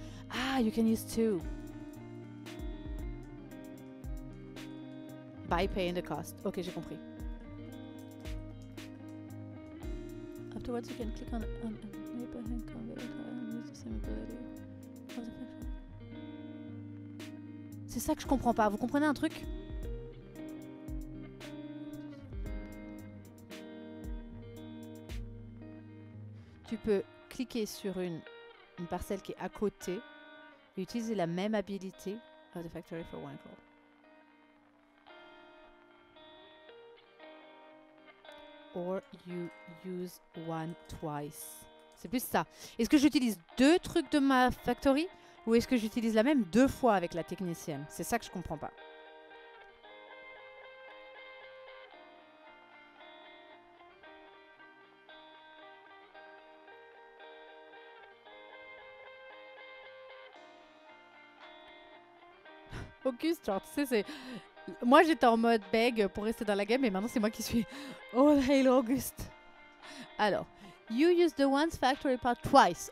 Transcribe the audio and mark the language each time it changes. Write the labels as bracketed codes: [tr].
[en] Ah, you can use two. By paying the cost. [fr] Ok, j'ai compris. [en] Afterwards, you can click on a neighborhood conveyor and use the same ability. [fr] C'est ça que je comprends pas. Vous comprenez un truc? Tu peux cliquer sur une parcelle qui est à côté et utiliser la même habilité [en] of the factory for one call. Or you use one twice. [fr] C'est plus ça. Est-ce que j'utilise deux trucs de ma factory ou est-ce que j'utilise la même deux fois avec la technicienne? C'est ça que je comprends pas. Focus, genre, tu sais, c'est... Moi, j'étais en mode beg pour rester dans la game, et maintenant, c'est moi qui suis... [en] Oh, hail Auguste. [fr] Alors, [en] you use the one's factory part twice.